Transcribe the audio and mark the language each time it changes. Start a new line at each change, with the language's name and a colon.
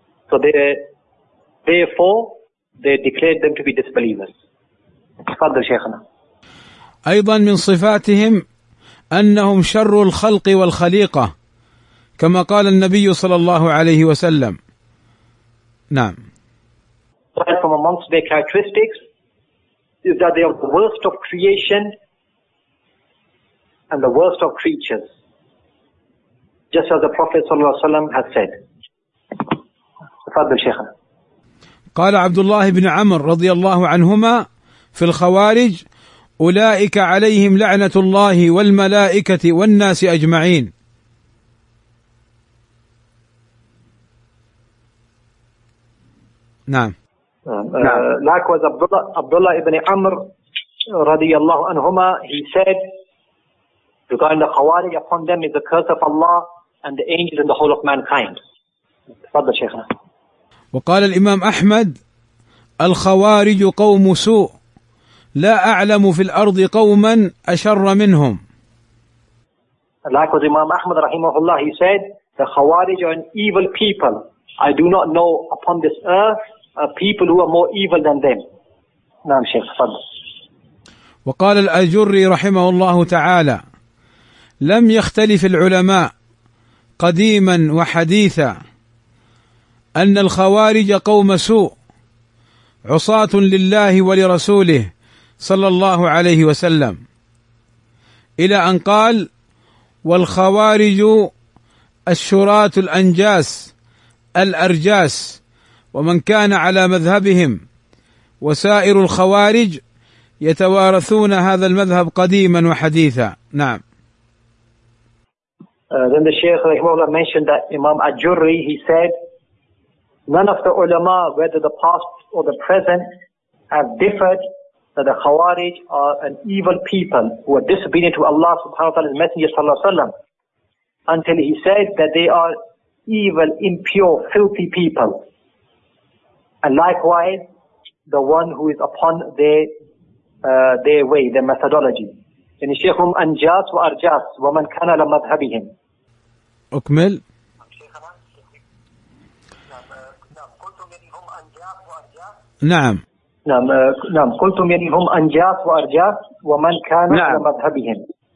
English: So they therefore they declared them to be disbelievers.
Arabic: أيضا من صفاتهم أنهم شر الخلق والخليقة، كما قال النبي صلى الله عليه وسلم. نعم.
English: From amongst their characteristics is that they are the worst of creation and the worst of creatures, just as the Prophet صلى الله عليه وسلم has said.
Arabic: تفضل شيخنا. قال عبد الله بن عمر رضي الله عنهما في الخوارج: أولئك عليهم لعنة الله والملائكة والناس أجمعين. نعم.
English: Likewise, Abdullah ibn Amr رضي الله عنهما, he said regarding the khawarij, upon them is the curse of Allah and the angels and the whole of mankind.
Arabic: تفضل شيخنا. وقال الإمام أحمد: الخوارج قوم سوء، لا أعلم في الأرض قوما أشر منهم.
English: Likewise, Imam Ahmad رحمه الله, he said, the Khawarij are an evil people. I do not know upon this earth a people who are more evil than them.
Arabic: نعم شيخ. وقال الأجري رحمه الله تعالى: لم يختلف العلماء قديما وحديثا أن الخوارج قوم سوء عصاة لله ولرسوله صلى الله عليه وسلم، إلى أن قال: والخوارج الشراة الأنجاس الأرجاس، ومن كان على مذهبهم وسائر الخوارج يتوارثون هذا المذهب قديما وحديثا. نعم.
English: Then the Shaykh Rahimahullah mentioned that Imam Al-Jurri, he said, none of the ulama, whether the past or the present, have differed that the Khawarij are an evil people who are disobedient to Allah subhanahu wa ta'ala and Messenger sallallahu alayhi wa sallam, until he said that they are evil, impure, filthy people. And likewise, the one who is upon their way, their methodology.
Arabic: يعني شيخهم أنجاس وأرجاس ومن كان على مذهبهم. أكمل. نعم. نعم نعم قلتم يعني هم أنجاس وأرجاس ومن كان على مذهبهم.